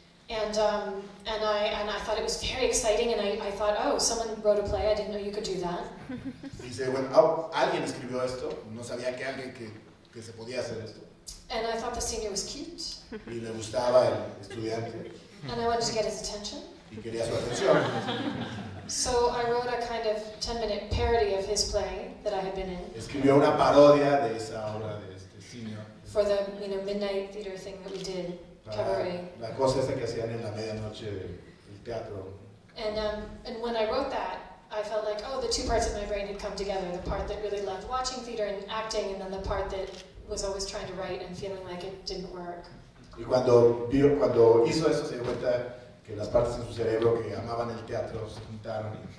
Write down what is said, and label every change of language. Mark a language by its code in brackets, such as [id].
[en] And I thought it was very exciting, and I thought, oh, someone wrote a play, I didn't know you could do that. [es] Y dice, bueno, alguien escribió esto, no sabía que alguien que se podía hacer esto. [en] And I thought the senior was cute. [es] Y le gustaba el estudiante. [en] And I wanted to get his attention. [es] Y quería su atención. [en] So I wrote a kind of 10-minute parody of his play that I had been in. [es] Escribió una parodia de esa obra de este senior. [en] For the, you know, midnight theater thing that we did, cabaret. [es] La cosa esa que hacían en la medianoche del teatro. [en] And when I wrote that, I felt like, oh, the two parts of my brain had come together. The part that really loved watching theater and acting, and then the part that was always trying to write and feeling like it didn't work. [es] Y cuando vio, cuando hizo eso, se dio cuenta que las partes en su cerebro que amaban el teatro se juntaron.